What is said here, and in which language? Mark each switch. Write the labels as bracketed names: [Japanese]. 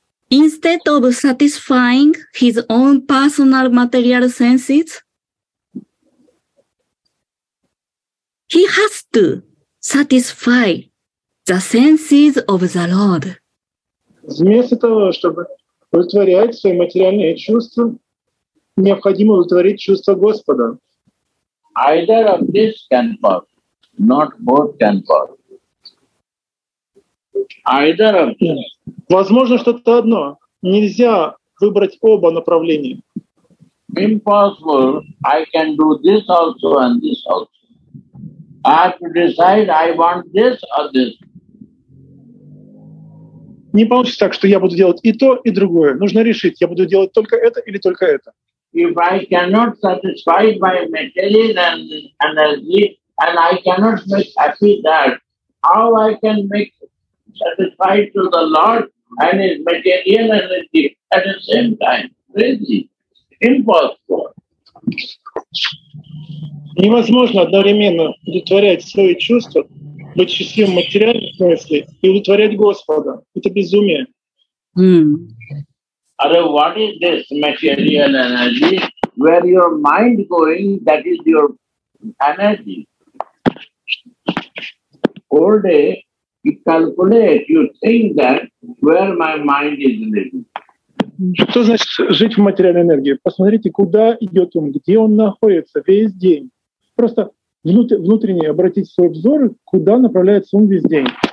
[English] Instead of satisfying his own personal material senses, he has to satisfy the senses of the Lord. [Russian] Вместо того, чтобы удовлетворять свои материальные чувства, необходимо удовлетворить чувства Господа. [English] Either of this can work, not both can work. Either of this. [Russian] Возможно, что-то одно. Нельзя выбрать оба направления. [English] Impossible. I can do this also and this also. I have to decide I want this or this. [Russian] Не получится так, что я буду делать и то, и другое. Нужно решить, я буду делать только это или только это. [English] If I cannot satisfy my material energy and I cannot make happy that, how I can make satisfied to the Lord and his material energy at the same time? Crazy. Impossible. [Russian] Невозможно одновременно удовлетворять свои чувства, быть счастливым в материальном смысле и удовлетворять Господа. Это безумие. [English] What is this material energy where your mind going, that is your energy. All day, you calculate, you think that where my mind is living. [Russian] Что значит жить в материальной энергии? Посмотрите, куда идет он, где он находится весь день. Просто внутренне обратите свой взор, куда направляется он весь день.